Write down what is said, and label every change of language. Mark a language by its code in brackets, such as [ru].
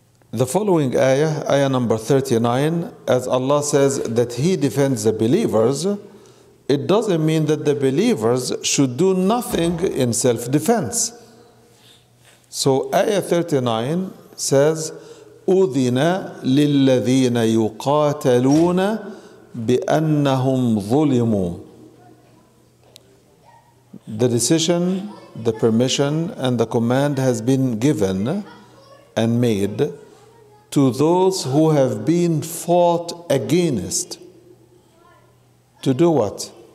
[en] The following ayah, ayah number 39, as Allah says that He defends the believers, it doesn't mean that the believers should do nothing in self-defense. So ayah 39 says, [ar] أذن للذين يقاتلون بأنهم ظلموا. [en] The decision, the permission and the command has been given and made to those who have been fought against. To do what?